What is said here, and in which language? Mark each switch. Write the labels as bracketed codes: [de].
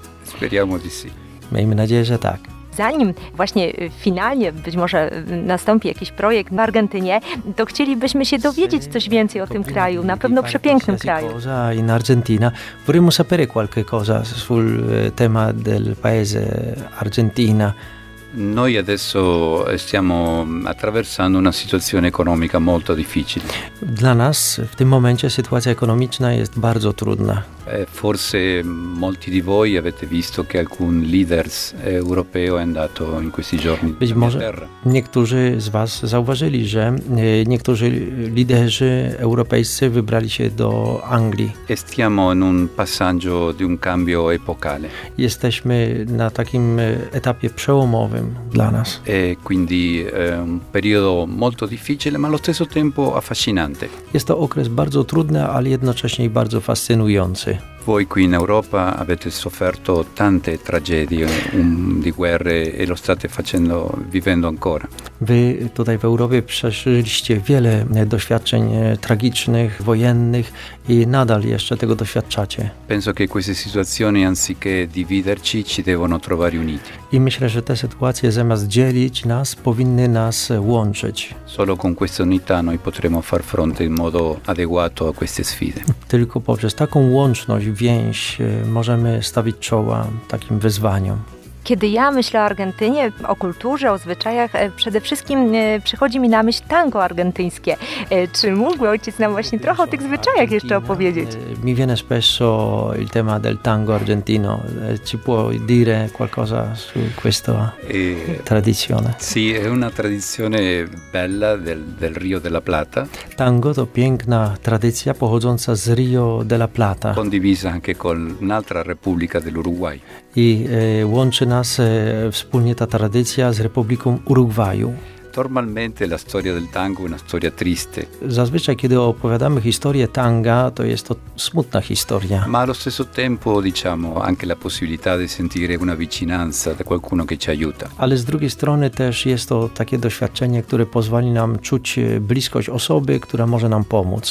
[it] Speriamo di sì. [pl] Miejmy nadzieję, że tak. Zanim właśnie finalnie być może nastąpi jakiś projekt w Argentynie, to chcielibyśmy się dowiedzieć coś więcej o tym kraju, na pewno przepięknym kraju. [it] In Argentina, vorremmo sapere qualche cosa sul tema del paese Argentina. Noi adesso stiamo attraversando una situazione economica molto difficile. [pl] Dla nas w tym momencie sytuacja ekonomiczna jest bardzo trudna. [it] Forse molti di voi avete visto che alcun leader europeo è andato in questi giorni [pl] Być może niektórzy z was zauważyli, że niektórzy liderzy europejscy wybrali się do Anglii. [it] E stiamo in un passaggio di un cambio epocale. [pl] Jesteśmy na takim etapie przełomowym dla nas. [it] E quindi un periodo molto difficile, ma allo stesso tempo affascinante. [pl] Jest to okres bardzo trudny, ale jednocześnie i bardzo fascynujący. [it] Voi qui in Europa avete sofferto tante tragedie di guerre e lo state facendo, vivendo ancora. [pl] Wy tutaj w Europie przeżyliście wiele doświadczeń tragicznych, wojennych i nadal jeszcze tego doświadczacie. [it] Penso che queste situazioni, anziché dividerci, ci devono trovare uniti. [pl] I myślę, że te sytuacje, zamiast dzielić nas, powinny nas łączyć. [it] Solo con questa unità noi potremo far fronte in modo adeguato a queste sfide. [pl] Tylko poprzez taką łączność, więź, możemy stawić czoła takim wyzwaniom. Kiedy ja myślę o Argentynie, o kulturze, o zwyczajach, przede wszystkim przychodzi mi na myśl tango argentyńskie. Czy mógłby ojciec nam właśnie trochę o tych zwyczajach Argentina, jeszcze opowiedzieć? [it] Mi viene spesso il tema del tango argentino. Ci può dire qualcosa su questa tradizione? Sì, è una tradizione bella del Rio della Plata. [pl] Tango to piękna tradycja pochodząca z Rio della Plata. [it] Condivisa anche con un'altra Repubblica dell'Uruguay. [pl] I łączy nas wspólnie ta tradycja z Republiką Urugwaju. [it] Normalmente la storia del tango è una storia triste. [pl] Zazwyczaj, kiedy opowiadamy historię tanga, to jest to smutna historia. [it] Ma allo stesso tempo, diciamo, anche la possibilità di sentire una vicinanza da qualcuno che ci aiuta. [pl] Ale z drugiej strony też jest to takie doświadczenie, które pozwoli nam czuć bliskość osoby, która może nam pomóc.